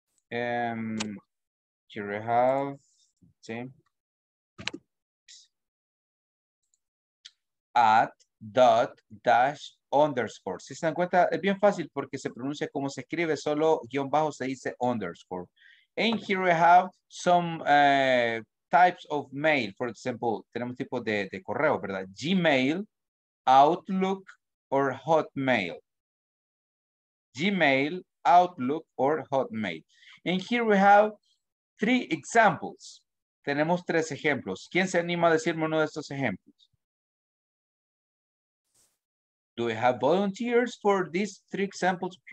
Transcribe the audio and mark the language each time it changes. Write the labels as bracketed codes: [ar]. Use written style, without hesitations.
[en] Here we have, same. At, dot, dash, underscore. [es] Si se dan cuenta, es bien fácil porque se pronuncia como se escribe, solo guión bajo se dice underscore. [en] And here we have some types of mail. For example, [es] tenemos tipo de correo, ¿verdad? Gmail, Outlook, or Hotmail. [en] Gmail, Outlook, or Hotmail. And here we have three examples. [es] Tenemos tres ejemplos. ¿Quién se anima a decirme uno de estos ejemplos? [en] Do we have volunteers for these three examples?